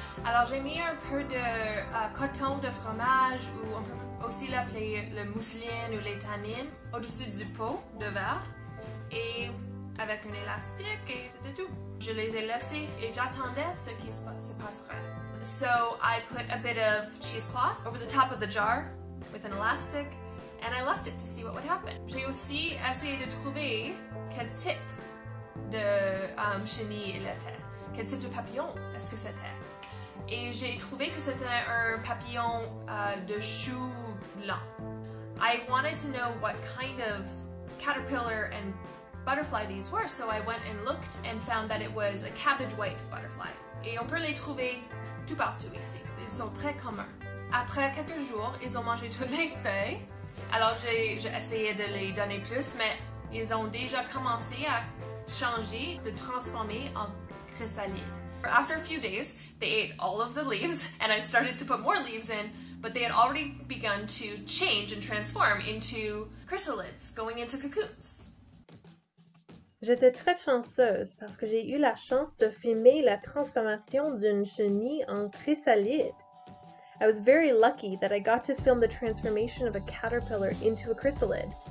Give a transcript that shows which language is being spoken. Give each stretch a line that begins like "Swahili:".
French: Alors j'ai mis un peu de coton de fromage ou un peu aussi l'appeler le mousseline ou l'étamine au-dessus du pot de verre et avec un élastique et c'était tout. Je les ai laissés et j'attendais ce qui se passerait.
English: So I put a bit of cheesecloth over the top of the jar with an elastic and I left it to see what would happen.
French: J'ai aussi essayé de trouver quel type de chenille il était, quel type de papillon est-ce que c'était. Et j'ai trouvé que c'était un papillon de chou blanc.
English: I wanted to know what kind of caterpillar and butterfly these were, so I went and looked and found that it was a cabbage white butterfly.
French: Et on peut les trouver tout partout ici. Ils sont très communs. Après quelques jours, ils ont mangé toutes les feuilles. Alors j'ai essayé de les donner plus, mais ils ont déjà commencé à changer, de transformer en chrysalide.
English: After a few days, they ate all of the leaves, and I started to put more leaves in, but they had already begun to change and transform into chrysalids, going into cocoons.
French: J'étais très chanceuse parce que j'ai eu la chance de filmer la transformation d'une chenille en chrysalide.
English: I was very lucky that I got to film the transformation of a caterpillar into a chrysalid.